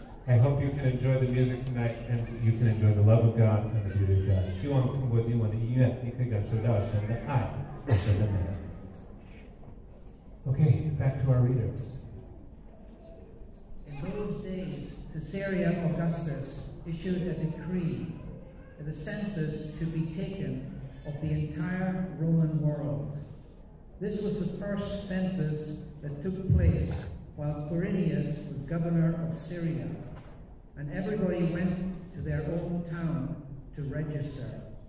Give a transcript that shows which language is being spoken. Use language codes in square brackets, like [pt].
[en] I hope you can enjoy the music tonight and you can enjoy the love of God and the beauty of God. [zh] 希望通过今晚的音乐，你可以感受到神的爱，神的美。 [en] Okay, back to our readers. In those days, Caesarea Augustus issued a decree that the census should be taken of the entire Roman world. This was the first census that took place while Quirinius was governor of Syria, and everybody went to their own town to register.